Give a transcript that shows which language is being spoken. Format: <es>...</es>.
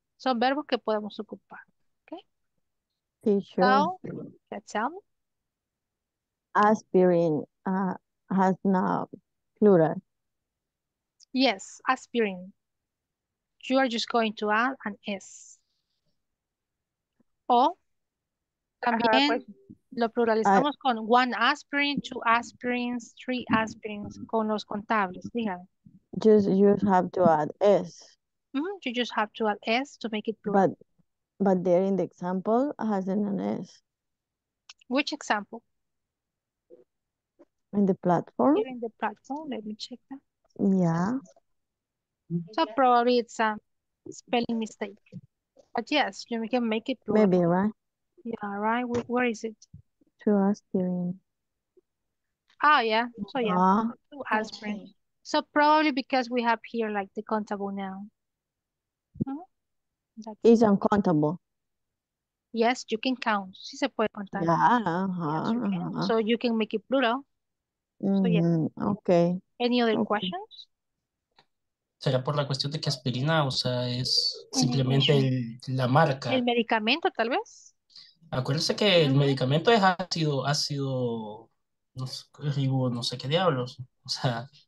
<es>Son verbos que podemos ocupar, okay?</es> <en>Teacher, tell me. Aspirin has no plural. Yes, aspirin. You are just going to add an S.</en> <es>O también lo pluralizamos con</es> <en>one aspirin, two aspirins, three aspirins,</en> <es>con los contables. Dígame.</es> <en>You have to add S. Mm-hmm. You just have to add S to make it plural. But there in the example has an S. Which example? In the platform. Here in the platform, let me check that. Yeah. So probably it's a spelling mistake. But yes, you can make it plural. Maybe, right? Yeah, right. Where is it? Two aspirin. Oh, yeah. So yeah, two aspirin. Okay. So probably because we have here like the countable noun. Hmm? It's uncountable. Yes, you can count.</en> <es>Si se puede contar.</es> <en>Yeah, uh-huh, yes, you can. So you can make it plural. Mm-hmm. So yeah. Okay. Any other questions?</en> <es>¿Será por la cuestión de que aspirina, o sea, es simplemente la marca? ¿El medicamento, tal vez? Acuérdense que el medicamento es ácido, no sé qué diablos. O sea,</es>